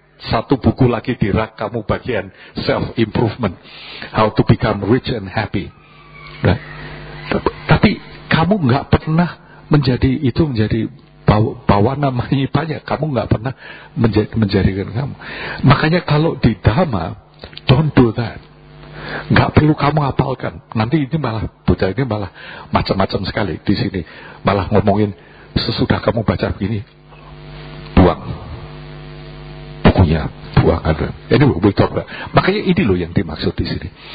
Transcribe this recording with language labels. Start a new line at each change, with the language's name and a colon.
Indonesian: Satu buku lagi di rak kamu bagian
English: self improvement, how to become rich and happy. Right?
Indonesian: Tapi kamu enggak pernah menjadi itu, menjadi bawa namanya banyak. Kamu enggak pernah menjadikan kamu. Makanya kalau di Dhamma,
English: don't do that.
Indonesian: Enggak perlu kamu hafalkan. Nanti ini malah Buddha ini malah macam-macam sekali di sini. Malah ngomongin sesudah kamu baca begini, buang. Bukunya buang ada. Ini
English: we talk about.
Indonesian: Makanya ini loh yang dimaksud di sini.